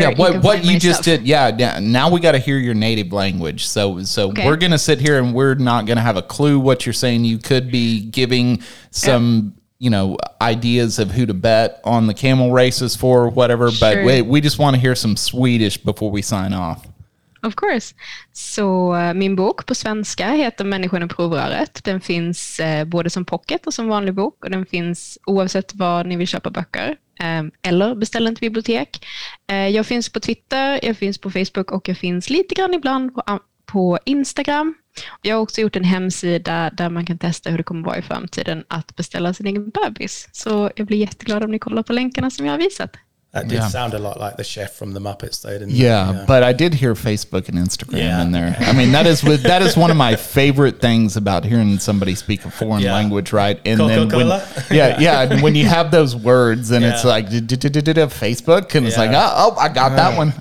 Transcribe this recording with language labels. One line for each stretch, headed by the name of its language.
English: Did. Yeah. Now we got to hear your native language. So okay. We're going to sit here and we're not going to have a clue what you're saying. You could be giving some, ideas of who to bet on the camel races for or whatever, sure. But we just want to hear some Swedish before we sign off. Of course.
Swedish: Så min bok på svenska heter Människan och provröret. Den finns både som pocket och som vanlig bok. Och den finns oavsett var ni vill köpa böcker eller beställa till bibliotek. Jag finns på Twitter, jag finns på Facebook och jag finns lite grann ibland på Instagram. Jag har också gjort en hemsida där man kan testa hur det kommer vara i framtiden att beställa sin egen bebis. Så jag blir jätteglad om ni kollar på länkarna som jag har visat.
English: That did sound a lot like the chef from The Muppets, though, didn't it? Yeah, but I did hear Facebook and Instagram in there. I mean, that is one of my favorite things about hearing somebody speak a foreign language, right? And then when you have those words and it's like Facebook, and it's like, oh, I got that one.